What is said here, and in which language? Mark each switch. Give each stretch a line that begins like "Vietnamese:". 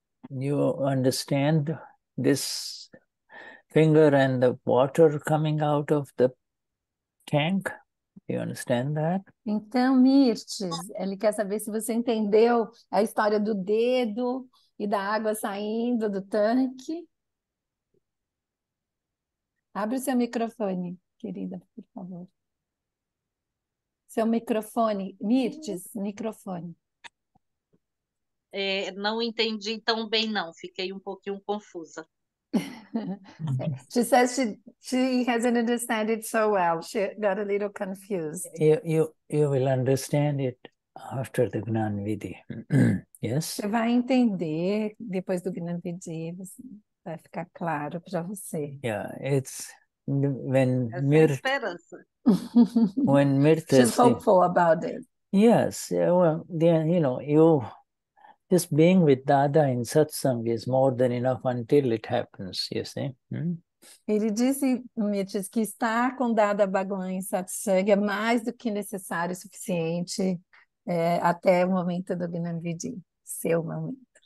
English: You understand this finger and the water coming out of the tank? You understand that?
Portuguese: Então, Mirtes, ele quer saber se você entendeu a história do dedo e da água saindo do tanque. Abre o seu microfone, querida, por favor. Seu microfone, Mirtes, microfone. É, não entendi tão bem, não. Fiquei um pouquinho confusa.
English: She says she hasn't understood it so well. She got a little confused. You will understand it after the Gnanvidhi. Yes?
Portuguese: Você vai entender depois do Gnanvidhi. Vai ficar claro para você.
English: Yeah, it's when Mirt...
Portuguese: Essa é a esperança.
English: When Mirtes... She's hopeful about it. Yes. Well, then, you know, you... Just being with Dada in satsang is more than enough until it happens, you see.
Portuguese: Ele disse, Mirtes, que estar com Dada Bhagwan em satsang é mais do que necessário, suficiente, é, até o momento do Gnanvidhi, seu momento.